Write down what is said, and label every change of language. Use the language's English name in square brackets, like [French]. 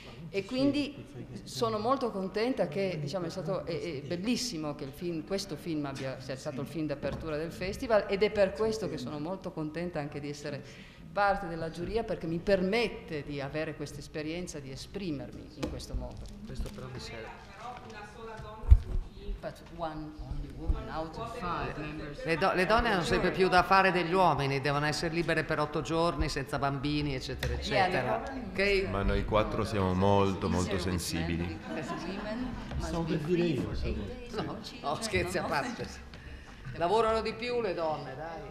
[Italian] E quindi sono molto contenta che, diciamo, è stato è bellissimo che il film, questo film sia stato il film d'apertura del festival, ed è per questo che sono molto contenta anche di essere parte della giuria, perché mi permette di avere questa esperienza, di esprimermi in questo modo. Questo però mi serve. [English] But one only woman out of five members. [Italian] Le donne hanno sempre più da fare degli uomini, devono essere libere per 8 giorni senza bambini, eccetera, eccetera. Okay. Ma noi quattro siamo molto, molto sensibili. No, scherzi a parte. Lavorano di più le donne, dai.